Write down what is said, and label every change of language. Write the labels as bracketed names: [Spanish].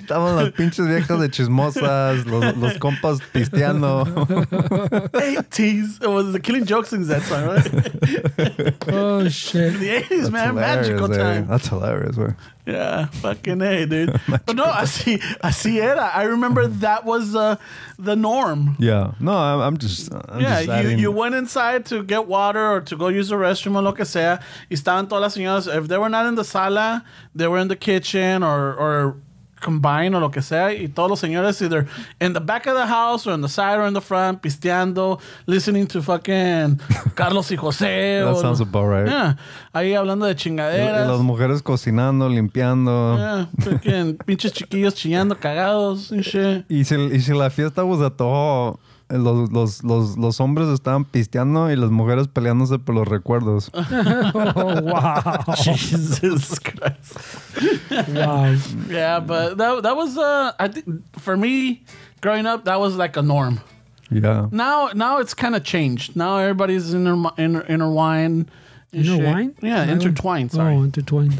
[Spanish] Estaban las pinches viejas de chismosas, los compas. Pisteando. [English] 80s. It was the Killing Joke sings that song, right? Oh, shit. The 80s, that's man. Magical time. That's hilarious, man. Yeah, fucking A, dude. But no, I see it. I remember that was the norm. Yeah. No, I'm just you went inside to get water or to go use the restroom or [Spanish] lo que sea. Y estaban todas las señoras. [English] If they were not in the sala, they were in the kitchen or combine or [Spanish] lo que sea, y todos los señores [English] either in the back of the house or in the side or in the front, [Spanish] pisteando, [English] listening to fucking Carlos y José. That sounds about right. [Spanish] Yeah. Ahí hablando de chingaderas. Y las mujeres cocinando, limpiando. [English] Yeah. Fucking [Spanish] pinches chiquillos chillando, cagados [English] and shit. [Spanish] Y si la fiesta [English] was at all, [Spanish] los hombres estaban pisteando y las mujeres peleándose por los recuerdos. [English] Oh, wow. Jesus Christ. Wow. Yeah, but that was I think for me growing up that was like a norm. Yeah. Now it's kind of changed. Now everybody's intertwined. Intertwined? Yeah, intertwined. Oh, intertwined.